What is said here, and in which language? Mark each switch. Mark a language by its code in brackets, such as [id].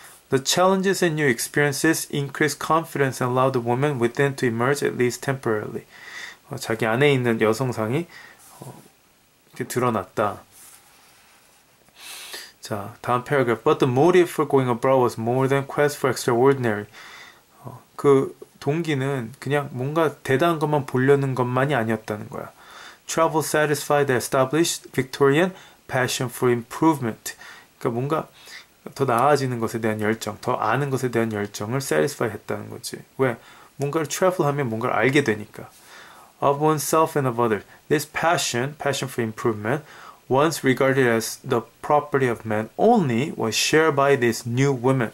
[en] The challenges and new experiences increase confidence and allow the woman within to emerge at least temporarily. [ko] 자기 안에 있는 여성상이 이렇게 드러났다. 자, 다음 paragraph. [en] But the motive for going abroad was more than quest for extraordinary. [ko] 그 동기는 그냥 뭔가 대단한 것만 보려는 것만이 아니었다는 거야. [en] Travel satisfied the established Victorian passion for improvement. [ko] 그러니까 뭔가 더 나아지는 것에 대한 열정, 더 아는 것에 대한 열정을 satisfy 했다는 거지. 왜? 뭔가를 travel 하면 뭔가를 알게 되니까. [en] Of oneself and of others. This passion for improvement, once regarded as the property of man only, was shared by this new woman.